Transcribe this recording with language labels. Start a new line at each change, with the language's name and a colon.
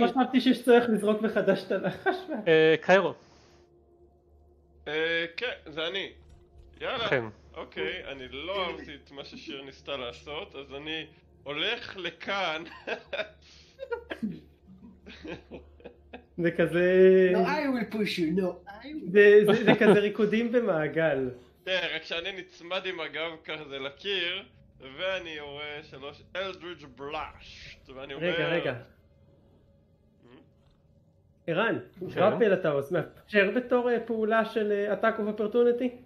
Hebrew: לא חשבתי שיש צורך לזרוק מחדש את הנחש. קיירו. כן, זה אני. יאללה. כן. אוקיי, אני לא אהבתי את מה ששיר ניסתה לעשות, אז אני הולך לכאן. זה כזה...
English: No, I will push you, no, I will...
Hebrew: זה כזה ריקודים במעגל. תראה, רק שאני נצמד עם הגב כזה לקיר, ואני יורה שלוש Eldritch Blast, ואני אומר... רגע. אירן, גרפל אתה עושה, שר בתור פעולה של Attack of Opportunity?